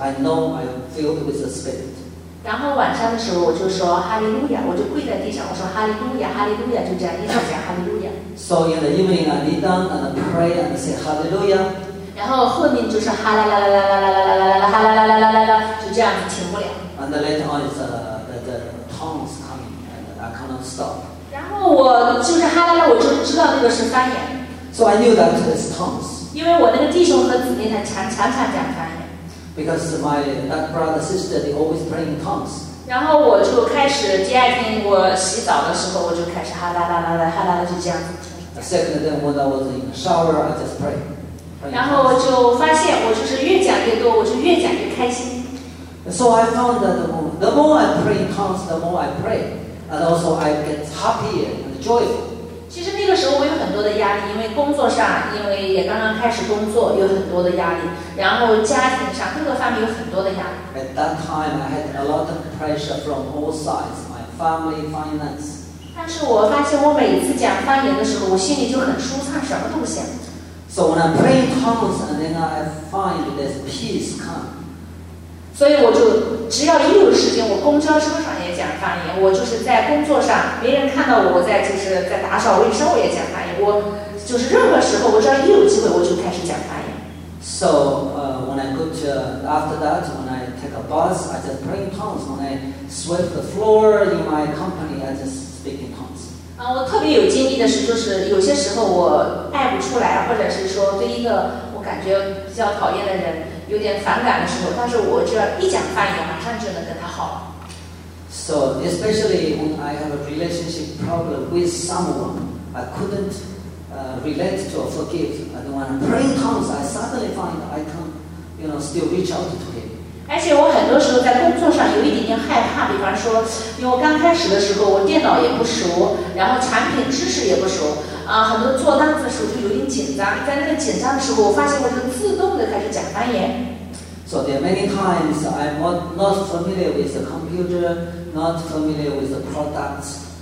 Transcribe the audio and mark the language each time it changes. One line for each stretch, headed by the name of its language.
English: I know I filled with the Spirit.
Chinese: 然后晚上的时候，我就说哈利路亚，我就跪在地上，我说哈利路亚，哈利路亚，就这样一直讲哈利路亚。
English: So in the evening, I kneel down and pray and say Hallelujah.
Chinese: 然后后面就是哈啦啦啦啦啦啦啦啦啦啦哈啦啦啦啦啦啦，就这样停不了。
English: And later on, is the tongues coming and I cannot stop.
Chinese: 然后我就是哈啦啦，我就知道那个是方言。
English: So I knew that it's tongues.
Chinese: 因为我那个弟兄和姊妹他常常讲方言。
English: Because my that brother sister they always pray in tongues.
Chinese: 然后我就开始第二天我洗澡的时候我就开始哈啦啦啦啦哈啦啦就这样。
English: The second day when I was in the shower, I just pray.
Chinese: 然后我就发现我就是越讲越多，我就越讲越开心。
English: So I found that the more I pray in tongues, the more I pray, and also I get happier and joyful.
Chinese: 其实那个时候我有很多的压力，因为工作上，因为也刚刚开始工作，有很多的压力，然后家庭上各个方面有很多的压力。
English: At that time, I had a lot of pressure from all sides, my family, finance.
Chinese: 但是我发现我每次讲方言的时候，我心里就很舒畅，什么都不想。
English: So when I pray in tongues, and then I find this peace come.
Chinese: 所以我就只要一有时间，我公交车上。讲方言，我就是在工作上，别人看到我在就是在打扫卫生，我也讲方言。我就是任何时候，我只要一有机会，我就开始讲方言。
English: So, when I go to after that, when I take a bus, I just pray in tongues. When I sweep the floor in my company, I just speak in tongues.
Chinese: 我特别有经历的是，就是有些时候我爱不出来，或者是说对一个我感觉比较讨厌的人有点反感的时候，但是我只要一讲方言，马上就能跟他好了。
English: So especially when I have a relationship problem with someone, I couldn't relate to or forgive. And when I pray in tongues, I suddenly find I can, you know, still reach out to him.
Chinese: 而且我很多时候在工作上有一点点害怕，比方说，因为我刚开始的时候我电脑也不熟，然后产品知识也不熟，很多做单子的时候就有点紧张。在那个紧张的时候，我发现我就自动的开始讲方言。
English: So there are many times I'm not familiar with the computer, not familiar with the products.